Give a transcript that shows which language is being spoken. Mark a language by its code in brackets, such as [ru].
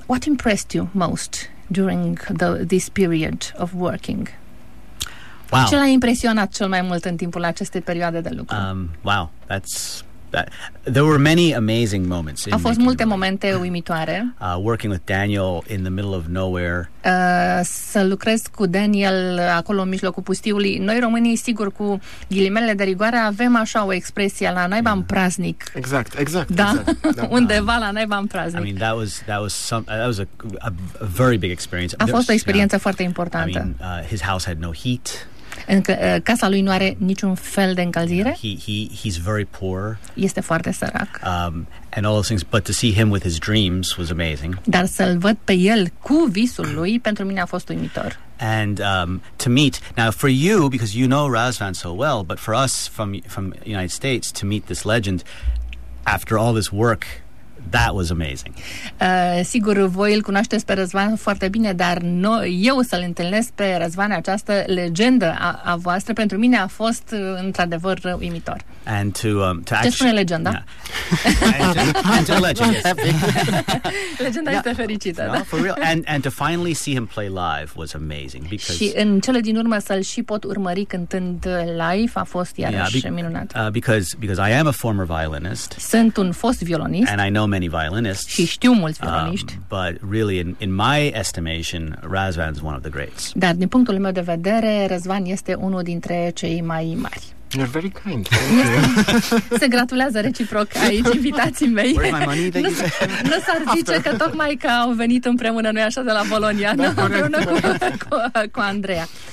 [en] What impressed you most during this period of working? Wow. [ro] Ce l-a impresionat cel mai mult în timpul acestei perioade de lucru? [en] Wow, that's There were many amazing moments. [ro] Au fost multe momente uimitoare. [en] Working with Daniel in the middle of nowhere. [ro] Să lucrez cu Daniel acolo în mijlocul pustiului. Noi românii, sigur, cu ghilimele de rigoare, avem așa o expresie la naiba în praznic. Exact, exact. Da, exact. Undeva la naiba în praznic. [en] I mean, that was a very big experience. [ro] A fost o experiență foarte importantă. [en] I mean, his house had no heat. [ro] Casa lui nu are niciun fel de încălzire. [en] He's very poor. [ro] Este foarte sărac. [en] And all those things, but to see him with his dreams was amazing. [ro] Dar să-l văd pe el cu visul lui, pentru mine a fost uimitor. [en] And to meet, now for you, because you know Razvan so well, but for us from United States, to meet this legend after all this work, that was amazing. [ro] Sigur, voi îl cunoașteți pe Răzvan foarte bine, dar eu să-l întâlnesc pe Răzvan, această legendă a voastră, pentru mine a fost într-adevăr uimitor. [en] And to actually, [ro] ce spune legenda? [en] Yeah. [ro] Legenda este fericită. [en] No, for real. And to finally see him play live was amazing. Because... [ro] Și în cele din urmă să-l și pot urmări cântând live a fost iarăși minunat. [en] Because I am a former violinist. [ro] Sunt un fost violonist. [en] And I know many violinists. [ro] Și știu mulți violoniști. [en] But really, in my estimation, Razvan is one of the greats. [ro] Dar din punctul meu de vedere, Razvan este unul dintre cei mai mari. [en] You're very kind. [ro] Se gratulează reciproc aici invitații mei. Nu s-ar zice că tocmai că au venit împreună noi așa de la Bologna, da, împreună cu Andreea.